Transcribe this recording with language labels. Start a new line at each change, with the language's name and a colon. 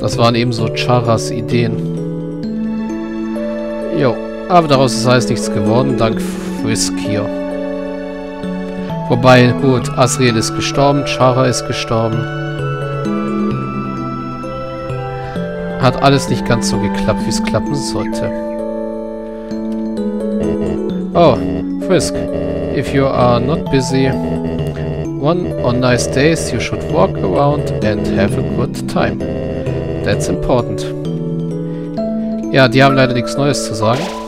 German: Das waren eben so Charas Ideen. Jo, aber daraus ist alles nichts geworden, dank Friskier. Wobei, gut, Asriel ist gestorben, Shara ist gestorben. hat alles nicht ganz so geklappt, wie es klappen sollte.
English: Oh, Frisk. If you are not busy one on nice days, you should walk around and have a good time. That's important.
German: Ja, die haben leider nichts Neues zu sagen.